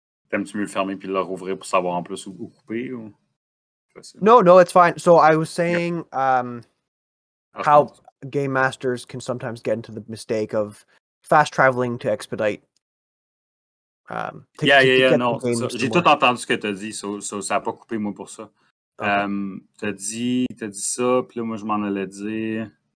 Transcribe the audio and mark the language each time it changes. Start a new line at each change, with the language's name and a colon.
French: T'aimes-tu mieux fermer puis le rouvrir pour savoir en plus où couper ou...
English: No, it's fine. So I was saying how game masters can sometimes get into the mistake of fast traveling to expedite.
French: J'ai tout entendu ce que t'as dit. So ça a pas coupé moi pour ça. Okay. T'as dit ça puis là moi je m'en allais dire.